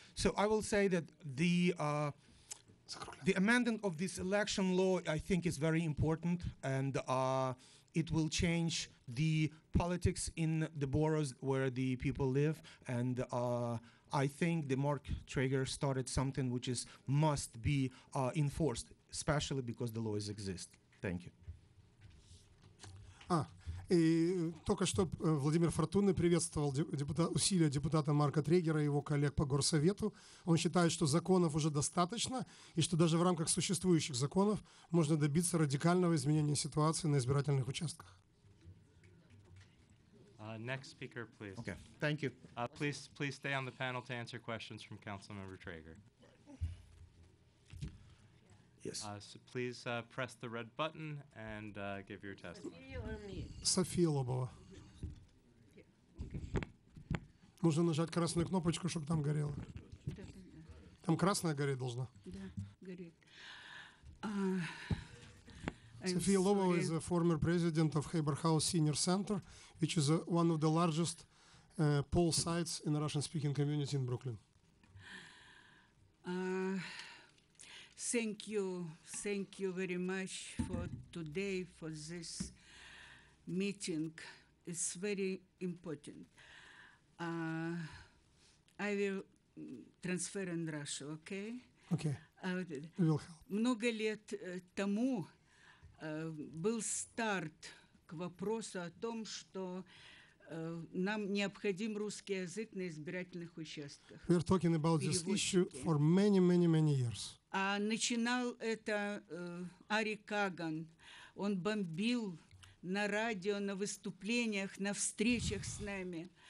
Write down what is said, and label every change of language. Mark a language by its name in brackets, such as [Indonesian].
[English] So I will say that the amendment of this election law, I think, is very important, and it will change the politics in the boroughs where the people live. And I think the Mark Traeger started something which is must be enforced, especially because the laws exist. Thank you. [Russian] И только что Владимир Фортуна приветствовал усилия депутата Марка Трегера и его коллег по горсовету. Он считает, что законов уже достаточно, и что даже в рамках существующих законов можно добиться радикального изменения ситуации на избирательных участках. [English] Next speaker, please. Okay. Thank you. Please stay on the panel to answer questions from Councilmember Traeger. Yes. So please press the red button and give your testimony. [Russian] София Лобова. Нужно нажать красную кнопочку, чтобы там горело. Там красная гореть должна. Да, горит. [English] София Лобова is a former president of Haber House Senior Center, which is one of the largest poll sites in the Russian-speaking community in Brooklyn. Thank you very much for today, for this meeting. It's very important. I will transfer in Russia, okay? Okay. Will help. [Russian] Много лет тому был старт к вопросу о том, что нам необходим русский язык на избирательных участках. [English] We're talking about this issue for many, many, many years. [Russian] А начинал это Ари Каган. Он бомбил на радио, на выступлениях, на встречах с нами.